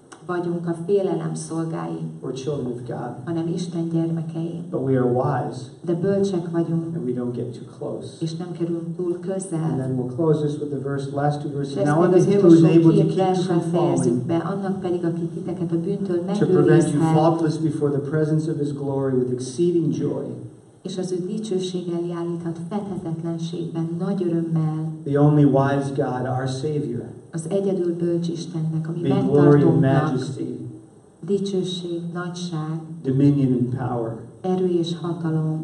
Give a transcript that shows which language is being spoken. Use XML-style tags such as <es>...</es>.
<hu>Vagyunk a félelem szolgái,</hu> <en>or children of God,</en> <hu>hanem Isten gyermekei.</hu> <en>But we are wise,</en> <hu>de bölcsek vagyunk,</hu> <en>and we don't get too close.</en> <hu>És nem kerülünk túl közel.</hu> <en>And then we'll close this with the verse, last two verses. Now one of you who is able to keep you from falling, be,</en> <hu>annak pedig, aki titeket a bűntől megőrizhet,</hu> <en>to prevent you faultless before the presence of his glory with exceeding joy.</en> <hu>és az ő dicsőséggel járíthat fedhetetlenségben, nagy örömmel.</hu> <en>The only wise God, our Savior.</en> <hu>Az egyedül bölcs Istennek, ami megtartónak. Dicsőség, nagyság.</hu> <en>Dominion and power.</en> <hu>Erő és hatalom.</hu>